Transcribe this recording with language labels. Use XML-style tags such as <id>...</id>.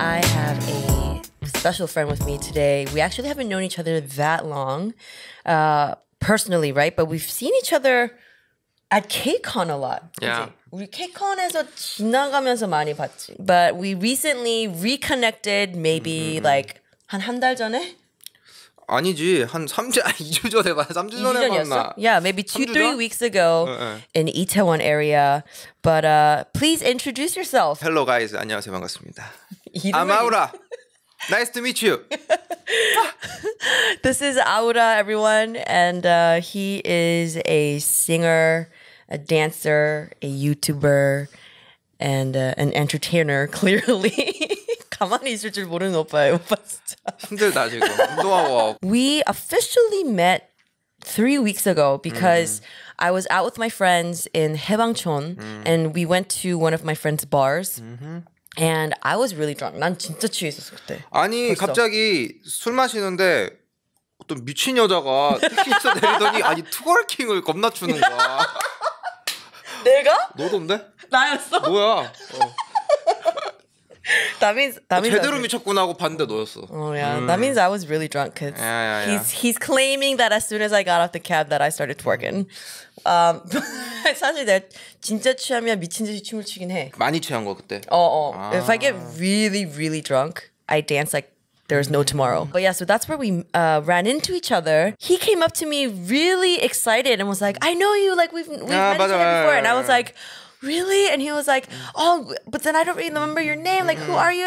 <en>I have a special friend with me today. We actually haven't known each other that long, personally, right? But we've seen each other at KCON a lot. Yeah.</en> <ko>우리 지나가면서 많이 봤지.</ko> <en>But we recently reconnected maybe like</en> <ko>한 달 전에? 아니지. 2주 전에 봤나?</ko> <en>Yeah, maybe 3 weeks ago in Itaewon area. But please introduce yourself. Hello guys.</en> <ko>안녕하세요. 반갑습니다.</ko> <en>I'm Aoora. Nice to meet you. This is Aoora, everyone. And he is a singer, a dancer, a YouTuber, and an entertainer, clearly.</en> <ko>가만히 있을 줄 모르는 오빠예요, 오빠 진짜. 힘들다, 지금. 운동하고.</ko> <en>We officially met 3 weeks ago because I was out with my friends in Haebangchon, and we went to one of my friend's bars. And I was really drunk.</en> <ko>난 진짜 취했었어, 그때. 아니, 벌써. 갑자기 술 마시는데 어떤 미친 여자가 택시에서 내리더니 아니, 투월킹을 겁나 추는 거야. 내가? 너던데? 나였어? 뭐야? 다민 제대로 미쳤구나 하고 봤는데 너였어.</ko> <en>Oh yeah, that means I was really drunk. Cause he's claiming that as soon as I got off the cab that I started twerking.</en> <ko>사실 내가 진짜 취하면 미친 듯이 춤을 추긴 해. 많이 취한 거 그때. 어.</ko> <en>If I get really really drunk, I dance like there's no tomorrow. But yeah, so that's where we ran into each other. He came up to me really excited and was like, "I know you. Like we've met each other before." And I was like, really? And he was like, oh, but then I don't really remember your name. Like, who are you?</en>